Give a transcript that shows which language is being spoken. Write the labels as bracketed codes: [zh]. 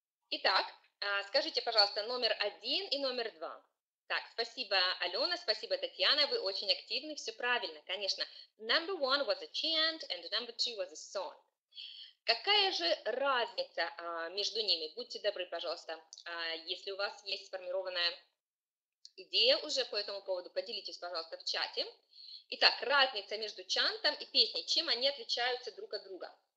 [ru] Итак, скажите, пожалуйста, номер один и номер два. Так, спасибо, Алена, спасибо, Татьяна, вы очень активны, все правильно, конечно. [en] Number one was a chant and number two was a song. [ru] Какая же разница между ними? Будьте добры, пожалуйста, если у вас есть сформированная идея уже по этому поводу, поделитесь, пожалуйста, в чате. Итак, разница между чантом и песней, чем они отличаются друг от друга?